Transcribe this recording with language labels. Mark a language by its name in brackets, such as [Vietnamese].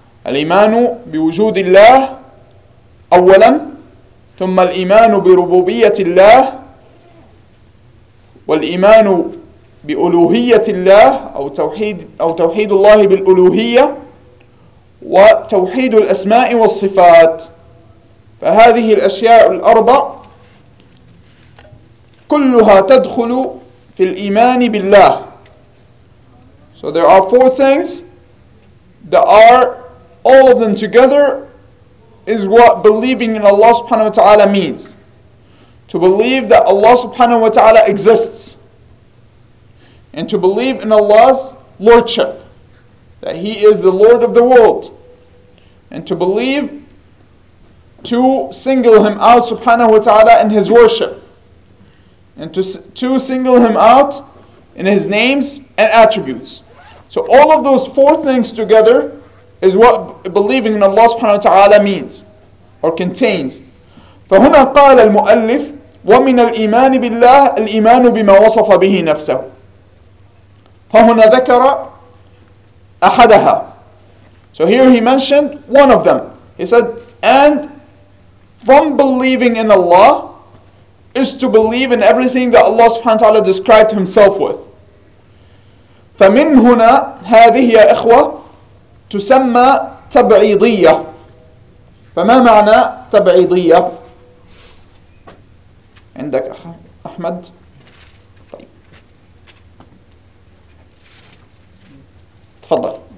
[Arabic] الإيمان بوجود الله أولا، ثم الإيمان بربوبية الله، والإيمان بألوهية الله أو توحيد الله بالألوهية، وتوحيد الأسماء والصفات. فهذه الأشياء الأربع كلها تدخل في الإيمان بالله. [English] So there are four things that are all of them together is what believing in Allah subhanahu wa ta'ala means. To believe that Allah subhanahu wa ta'ala exists. And to believe in Allah's lordship. That He is the Lord of the world. And to believe to single Him out subhanahu wa ta'ala in His worship. And to single Him out in His names and attributes. So all of those four things together is what believing in Allah subhanahu wa ta'ala means or contains. [Arabic] فهنا قال المؤلف ومن الإيمان بالله الإيمان بما وصف به نفسه. فهنا ذكر أحدها. [English] So here he mentioned one of them. He said, and from believing in Allah is to believe in everything that Allah subhanahu wa ta'ala described Himself with. [Arabic] فمن هنا هذه يا إخوة تسمى تبعيضية. فما معنى تبعيضية عندك أحمد؟ طيب تفضل.